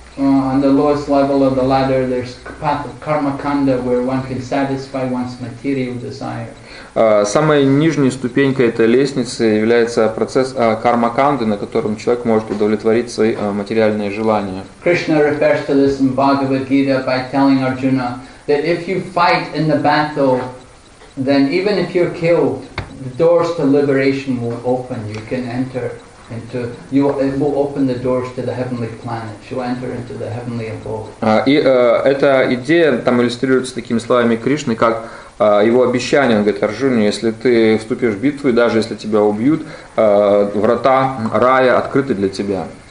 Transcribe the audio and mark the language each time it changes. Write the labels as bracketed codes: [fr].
[en] On the lowest level of the ladder, there's path of karma kanda, where one can satisfy one's material desire. [ru] Самая нижняя ступенька этой лестницы является процесс карма канды, на котором человек может удовлетворить свои материальные желания. [en] Krishna refers to this in Bhagavad Gita by telling Arjuna that if you fight in the battle, then even if you're killed, the doors to liberation will open. You can enter. [ru] И эта идея там иллюстрируется такими словами Кришны, как его обещание. Он говорит: Арджуна, если ты вступишь в битву, и даже если тебя убьют, врата рая открыты для тебя.